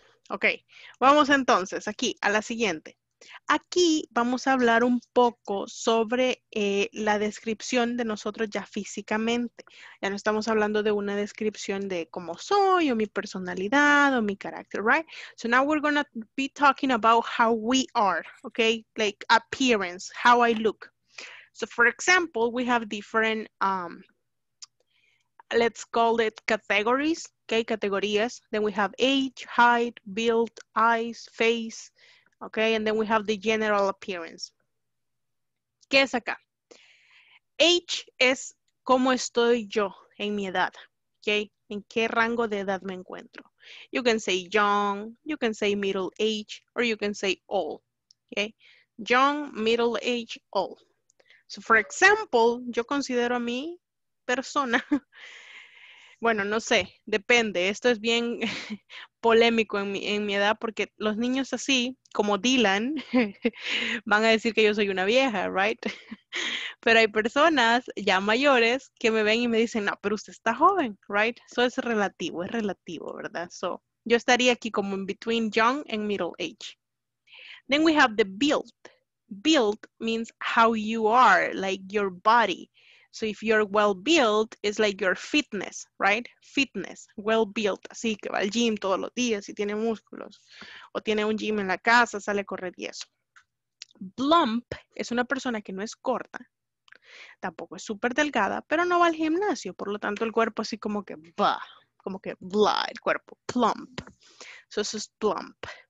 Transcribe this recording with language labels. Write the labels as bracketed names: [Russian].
[Spanish] Ok, vamos entonces aquí a la siguiente. Aquí vamos a hablar un poco sobre la descripción de nosotros ya físicamente. Ya no estamos hablando de una descripción de cómo soy o mi personalidad o mi carácter, right? [English] So now we're going to be talking about how we are, okay? Like appearance, how I look. So for example, we have different, let's call it categories, okay? Categorías. Then we have age, height, build, eyes, face. Okay, and then we have the general appearance. [Spanish] ¿Qué es acá? Age es cómo estoy yo en mi edad. Okay, en qué rango de edad me encuentro. [English] You can say young, you can say middle age, or you can say old. Okay, young, middle age, old. So, for example, yo considero a mi persona. [Spanish] Bueno, no sé, depende. Esto es bien polémico en mi edad porque los niños así, como Dylan, van a decir que yo soy una vieja, right? Pero hay personas ya mayores que me ven y me dicen, no, pero usted está joven, right? Eso es relativo, ¿verdad? So, yo estaría aquí como in between young and middle age. [English] Then we have the build. Build means how you are, like your body. So if you're well-built, it's like your fitness, right? Fitness, well-built. [Spanish] Así que va al gym todos los días y tiene músculos. O tiene un gym en la casa, sale a correr y eso. Plump es una persona que no es corta. Tampoco es súper delgada, pero no va al gimnasio. Por lo tanto, el cuerpo así como que va. Como que bla, el cuerpo. Plump. So eso es plump.